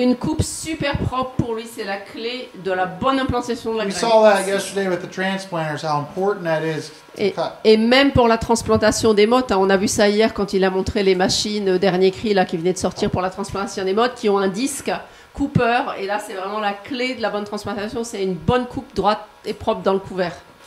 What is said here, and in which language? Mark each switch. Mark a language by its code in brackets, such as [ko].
[fr] Une coupe super propre pour lui, c'est la clé de la bonne implantation de la graine. [en] We saw that yesterday with the transplanters, how important that is. [fr] Et même pour la transplantation des mottes, hein, on a vu ça hier quand il a montré les machines dernier cri là qui venaient de sortir pour la transplantation des mottes, qui ont un disque coupeur. Et là, c'est vraiment la clé de la bonne transplantation, c'est une bonne coupe droite et propre dans le couvert.